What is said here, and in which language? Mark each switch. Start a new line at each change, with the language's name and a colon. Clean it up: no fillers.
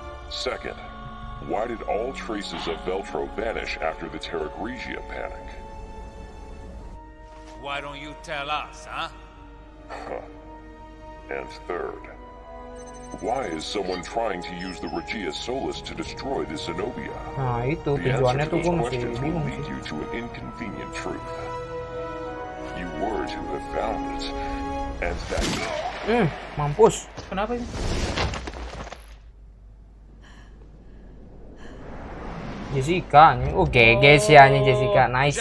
English: Second, why did all traces of Veltro vanish after the Terra Grigia panic? Why don't you tell us, huh? And third, why is someone trying to use the Regia Solis to destroy the Zenobia?
Indonesian: Nah, itu tujuannya tuh gue masih bingung sih.
English: You to an inconvenient truth. You were to have found it, and that.
Indonesian: Mampus. Kenapa ini? Jessica, GG sih ini Jessica. Nice.